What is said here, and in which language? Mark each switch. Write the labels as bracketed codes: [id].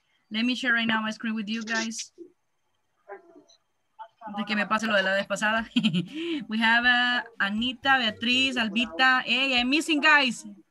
[en] Let me share right now my screen with you guys. [es] Antes que me pase lo de la vez pasada. [en] We have Anita, Beatriz, Albita, hey, I'm missing guys.